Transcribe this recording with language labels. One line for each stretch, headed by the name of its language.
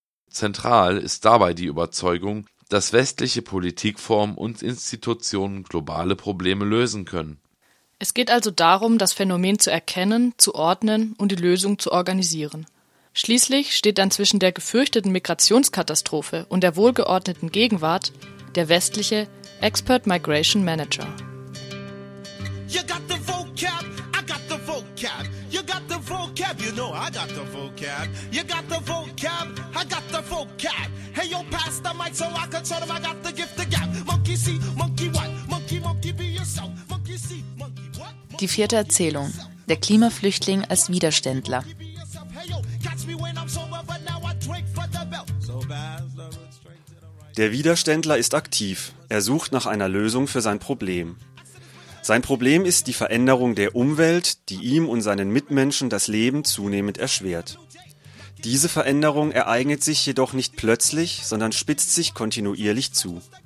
German: Zentral ist dabei die Überzeugung, dass westliche Politikformen und Institutionen globale Probleme lösen können. Es geht also darum, das Phänomen zu erkennen, zu ordnen und die Lösung zu organisieren. Schließlich steht dann zwischen der gefürchteten Migrationskatastrophe und der wohlgeordneten Gegenwart der westliche Expert Migration Manager.
English: You got the vocab, I got the vocab. You got the vocab, you know I got the vocab. You got the vocab, I got the vocab. Hey yo, pass the mic so I can tell them I got the gift of gab. Monkey see, monkey what? Monkey, monkey be yourself. Monkey see, monkey what? Monkey,
German: die vierte Erzählung: Der Klimaflüchtling als Widerständler.
English: Hey yo, catch me when I'm sober, but now I drink for the belt. So bad, love, it's straight to the right.
German: Der Widerständler ist aktiv. Er sucht nach einer Lösung für sein Problem. Sein Problem ist die Veränderung der Umwelt, die ihm und seinen Mitmenschen das Leben zunehmend erschwert. Diese Veränderung ereignet sich jedoch nicht plötzlich, sondern spitzt sich kontinuierlich zu.